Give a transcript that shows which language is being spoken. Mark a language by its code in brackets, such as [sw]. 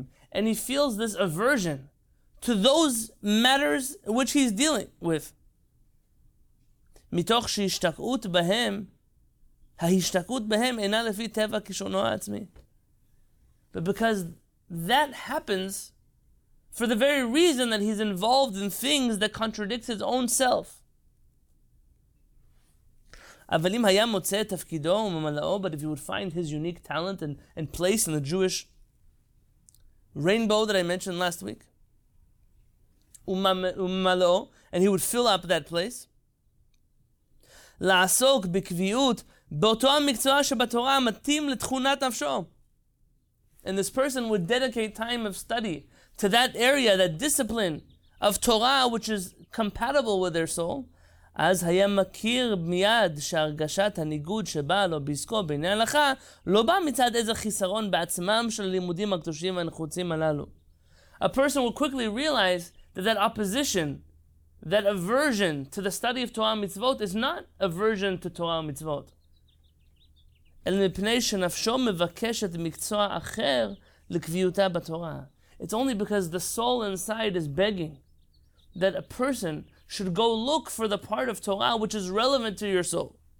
[en] And he feels this aversion to those matters which he's dealing with. [he] מתוך שהשתקעות בהם, ההשתקעות בהם אינה לפי טבע כישרונו העצמי. [en] But because that happens for the very reason that he's involved in things that contradict his own self. אבל אם היה מוצא תפקידו וממלאו, but if he would find his unique talent and place in the Jewish rainbow that I mentioned last week, וממלאו, and he would fill up that place, לעסוק בקביעות באותו המקצוע שבתורה מתאים לתכונת נפשו. [he] And this person would dedicate time of study to that area, that discipline of Torah, which is compatible with their soul, אז היה מכיר מיד שהרגשת הניגוד שבאה לו בעסקו בעיני ההלכה, לא בא מצד איזה חיסרון בעצמם של לימודים הקדושים והנחוצים הללו. [en] A person would quickly realize that opposition, that aversion to the study of Torah mitzvot is not aversion to Torah mitzvot. El mipnei shenafsho mevakeshet mikzoa acher l'kviyuta b'Torah. It's only because the soul inside is begging that a person should go look for the part of Torah which is relevant to your soul.